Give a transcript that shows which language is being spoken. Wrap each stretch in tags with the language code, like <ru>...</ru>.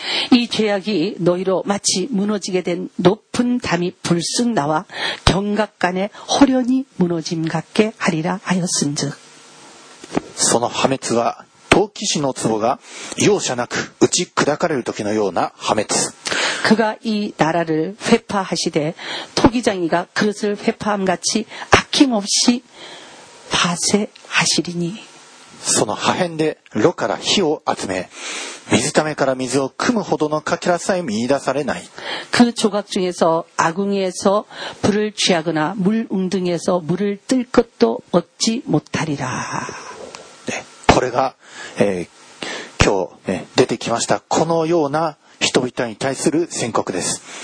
<ko>이 죄악이너희로마치무너지게된높은담이불쑥나와경각간에허련히무너짐같게하리라하였은즉</ko> <ja>その破滅は陶器師の壺が容赦なく打ち砕かれる時のような破滅</ja> <ko>그가이나라를훼파하시되토기장이가그릇을훼파함같이아낌없이파쇄하시리니</ko> <ja>その破片で炉から火を集め水ためから水を汲むほどのかけらさえ見出されない</ja> <ko>그조각중에서아궁이에서불을취하거나물웅덩이에서물을뜰것도얻지못하리라</ko> <ja>네これが、今日、出てきましたこのような人々に対する宣告です</ja>